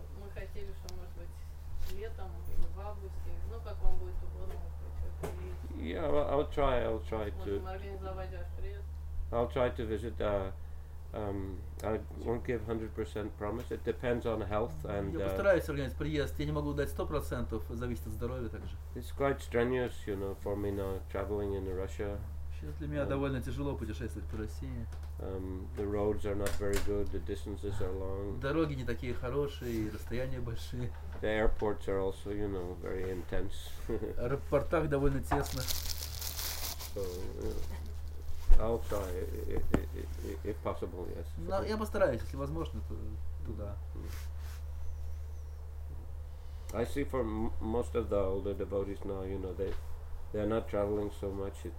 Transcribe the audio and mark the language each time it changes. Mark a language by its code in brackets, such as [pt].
[ru] Мы хотели, чтобы, может быть, летом или в августе, ну, как вам будет угодно, вы хотите приехать. [en] Yeah, well, I'll try to... [ru] Можем организовать ваш приезд. [en] I'll try to visit... I won't give 100% promise. It depends on health and. [ru] Я постараюсь организовать приезд. Я не могу дать 100%. Зависит от здоровья также. [en] It's quite strenuous, you know, for me now traveling in Russia. [ru] Сейчас для меня довольно тяжело путешествовать по России. [en] The roads are not very good. The distances are long. [ru] Дороги не такие хорошие, расстояния большие. [en] The airports are also, you know, very intense. [ru] Аэропортах довольно тесно. [en] I'll try, if possible, yes. [ru] Но я постараюсь, если возможно, то туда. [en] I see for most of the older devotees now, you know, they are not traveling so much.